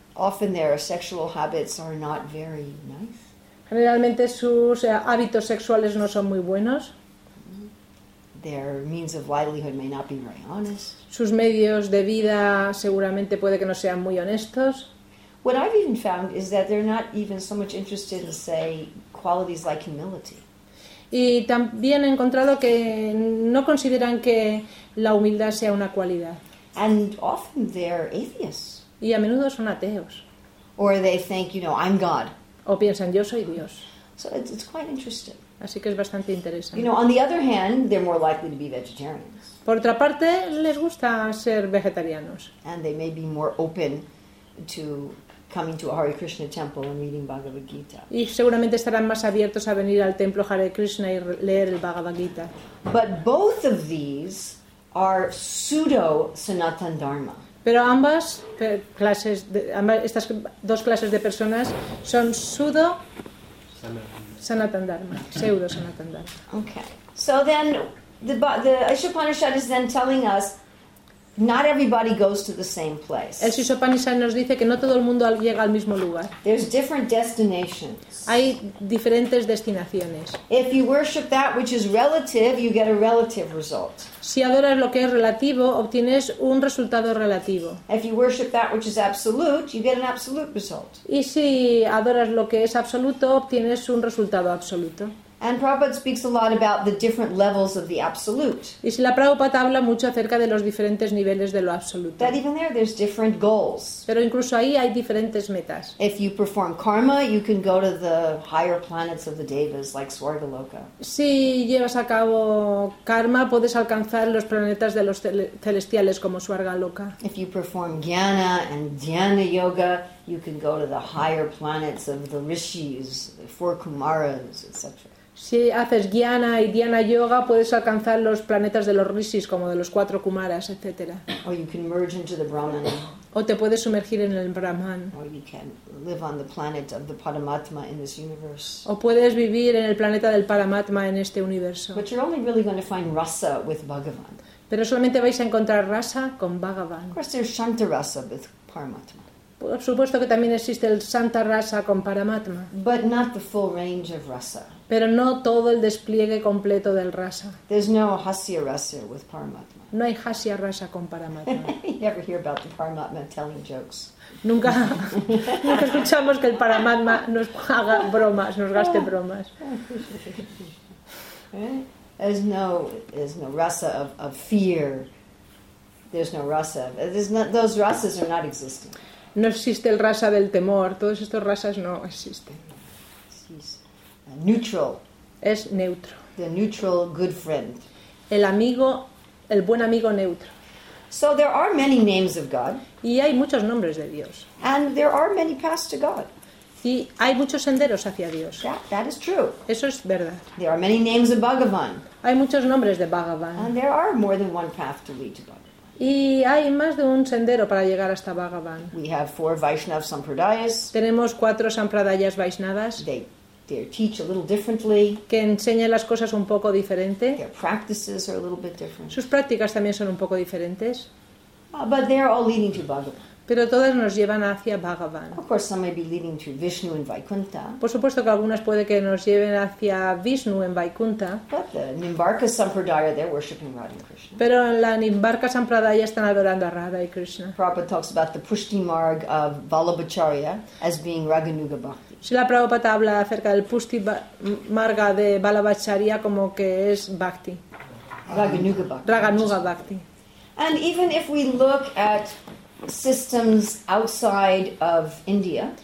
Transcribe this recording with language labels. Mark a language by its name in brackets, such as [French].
[English] Often their sexual habits are not very nice. [Spanish] Generalmente sus hábitos sexuales no son muy buenos. [English] Their means of livelihood may not be very honest. [Spanish] Sus medios de vida seguramente puede que no sean muy honestos. [English] What I've even found is that they're not even so much interested in, say, qualities like humility. [Spanish] Y también he encontrado que no consideran que la humildad sea una cualidad. [English] And often they're atheists. [Spanish] Y a menudo son ateos. [English] Or they think, you know, I'm God. [Spanish] O piensan, yo soy Dios. [English] So it's quite interesting. [Spanish] Así que es bastante interesante. [English] You know, on the other hand, they're more likely to be vegetarians. [Spanish] Por otra parte, les gusta ser vegetarianos. [English] And they may be more open to coming to a Hare Krishna temple and reading Bhagavad Gita. [Spanish] Y seguramente estarán más abiertos a venir al templo Hare Krishna y leer el Bhagavad Gita. [English] But both of these are pseudo Sanatan Dharma. [Spanish] Pero ambas clases, estas dos clases de personas son pseudo Sanatan Dharma, pseudo Sanatan Dharma. [English] Okay. So then the Isha Upanishad is then telling us not everybody goes to the same place. [Spanish] El Isha Upanishad nos dice que no todo el mundo llega al mismo lugar. [English] There's different destinations. [Spanish] Hay diferentes destinaciones. [English] If you worship that which is relative, you get a relative result. [Spanish] Si adoras lo que es relativo, obtienes un resultado relativo. [English] If you worship that which is absolute, you get an absolute result. [Spanish] Y si adoras lo que es absoluto, obtienes un resultado absoluto. [English] And Prabhupada speaks a lot about the different levels of the absolute. [Spanish] Y si la Prabhupada habla mucho acerca de los diferentes niveles de lo absoluto. [English] That even there, there's different goals. [Spanish] Pero incluso ahí hay diferentes metas. [English] If you perform karma, you can go to the higher planets of the devas, like Swargaloka. [Spanish] Si llevas a cabo karma, puedes alcanzar los planetas de los celestiales como Swargaloka. [English] If you perform jnana and dhyana yoga, you can go to the higher planets of the rishis, the four kumaras, etc. [Spanish] Si haces jnana y dhyana yoga, puedes alcanzar los planetas de los rishis, como de los cuatro kumaras, etc. [English] Or you can merge into the Brahman. [Spanish] O te puedes sumergir en el Brahman. [English] Or you can live on the planet of the Paramatma in this universe. [Spanish] O puedes vivir en el planeta del Paramatma en este universo. [English] But you're only really going to find rasa with Bhagavan. [Spanish] Pero solamente vais a encontrar rasa con Bhagavan. [English] Of course there's shanta rasa with Paramatma. [Spanish] Por supuesto que también existe el Santa Rasa con Paramatma. [English] But not the full range of rasa. [Spanish] Pero no todo el despliegue completo del rasa. [English] There's no Hasya Rasa with Paramatma. [Spanish] No hay Hasya Rasa con Paramatma. [English] You ever hear about the Paramatma telling jokes? [Spanish] Nunca, nunca escuchamos que el Paramatma nos haga bromas, nos gaste bromas. [English] There's no rasa of fear. There's no rasa. Those rasas are not existing. [Spanish] No existe el rasa del temor. Todos estos rasas no existen. [English] Neutral. [Spanish] Es neutro. [English] The neutral good friend. [Spanish] El amigo, el buen amigo neutro. [English] So there are many names of God. [Spanish] Y hay muchos nombres de Dios. [English] And there are many paths to God. [Spanish] Y hay muchos senderos hacia Dios. [English] That is true. [Spanish] Eso es verdad. [English] There are many names of Bhagavan. [Spanish] Hay muchos nombres de Bhagavan. [English] And there are more than one path to lead to God. [Spanish] Y hay más de un sendero para llegar hasta Bhagavan. [English] We have four Vaishnava Sampradayas. [Spanish] Tenemos cuatro Sampradayas Vaishnavas. [English] They teach a little differently. [Spanish] Que enseñan las cosas un poco diferente. [English] Their practices are a little bit different. [Spanish] Sus prácticas también son un poco diferentes. [English] But they're all leading to Bhagavan. [Spanish] Pero todas nos llevan hacia Bhagavan. [English] Of course, some may be leading to Vishnu and Vaikuntha. [Spanish] Por supuesto que algunas puede que nos lleven hacia Vishnu en Vaikuntha. [English] But the Nimbarka Sampradaya, they're worshiping Radha and Krishna. [Spanish] Pero en la Nimbarka Sampradaya están adorando a Radha y Krishna. [English] Prabhupada talks about the Pushti Marg of Vallabhacharya as being Raghunuga Bhakti. [Spanish] Si la Prabhupada habla acerca del Pushti Marga de Vallabhacharya como que es Bhakti. [English] Raghunuga Bhakti. [Spanish] Raghunuga Bhakti. [English] And even if we look at systems outside of India.